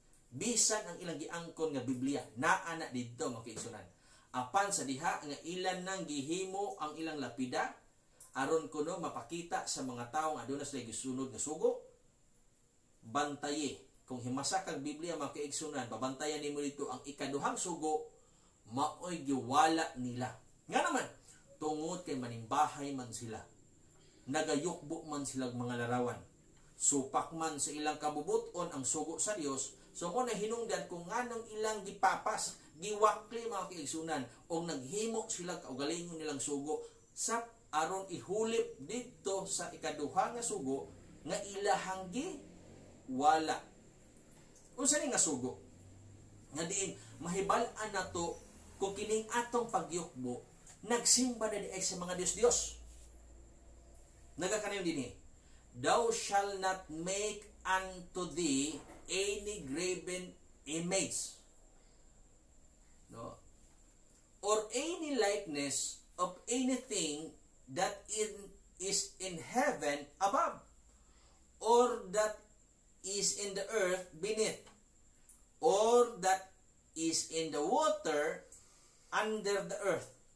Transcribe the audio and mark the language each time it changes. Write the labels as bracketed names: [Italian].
[Cebuano] Bisan ang ilang giangkon nga Biblia, naa na dito mga kaigsunan. Apan sa diha nga ilan nang gihimo ang ilang lapida aron kuno mapakita sa mga tawo nga aduna sa gisunod nga sugo, bantayi kung himasa kag Biblia mga kaigsunan, babantayan nimo dito ang ikaduhang sugo, maoy giwala nila. Nga naman tungod kay manimbahay man sila, nagayukbo man sila mga larawan, supak man sa ilang kabubuton ang sugo sa Dios. So kung nahinungdan kung nganong ilang gipapas, giwakli mga kaigsunan o naghimo sila kaugalingon nilang sugo sa aron ihulip dito sa ikaduha nga sugo nga ilahang giwala. Kung sanin nga sugo? Nga diin, mahibalaan na to kung kining atong pagyukbo, nagsimba na di ay sa mga Diyos-Diyos. Nagakanayon din eh, [English] thou shall not make unto thee any graven image, no, or any likeness of anything that is in heaven above, or that is in the earth beneath, or that is in the water under the earth.